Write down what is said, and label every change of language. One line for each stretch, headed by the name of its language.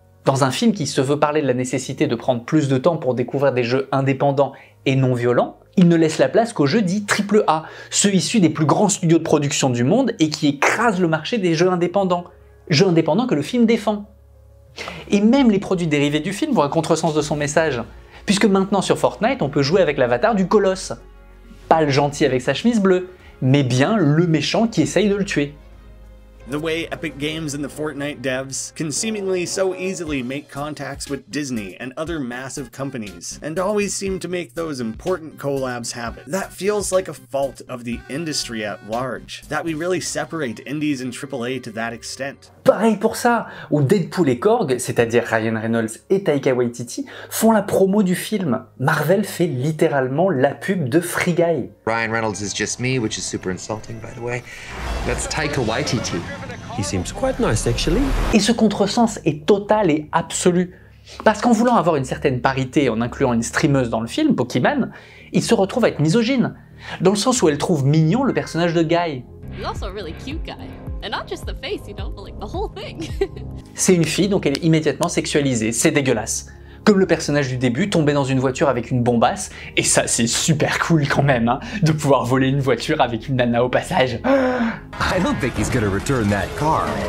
French: Dans un film qui se veut parler de la nécessité de prendre plus de temps pour découvrir des jeux indépendants et non violents, il ne laisse la place qu'aux jeux dits AAA, ceux issus des plus grands studios de production du monde et qui écrasent le marché des jeux indépendants. Jeux indépendants que le film défend. Et même les produits dérivés du film vont à contresens de son message. Puisque maintenant sur Fortnite, on peut jouer avec l'avatar du Colosse. Pas le gentil avec sa chemise bleue, mais bien le méchant qui essaye de le tuer.
English: The way Epic Games and the Fortnite devs can seemingly so easily make contacts with Disney and other massive companies, and always seem to make those important collabs happen. That feels like a fault of the industry at large, that we really separate indies and AAA to that extent.
French: Pareil pour ça, où Deadpool et Korg, c'est-à-dire Ryan Reynolds et Taika Waititi, font la promo du film. Marvel fait littéralement la pub de Free Guy.
English: Ryan Reynolds is just me, which is super insulting by the way. That's Taika Waititi. He seems quite nice actually.
French: Et ce contresens est total et absolu. Parce qu'en voulant avoir une certaine parité en incluant une streameuse dans le film, Pokimane, il se retrouve à être misogyne. Dans le sens où elle trouve mignon le personnage de Guy.
English: He's also a really cute guy. And not just the face, you know, but like the whole thing.
French: C'est une fille, donc elle est immédiatement sexualisée, c'est dégueulasse. Comme le personnage du début, tombé dans une voiture avec une bombasse, et ça c'est super cool quand même, hein, de pouvoir voler une voiture avec une nana au passage.
English: I don't think he's gonna return that car.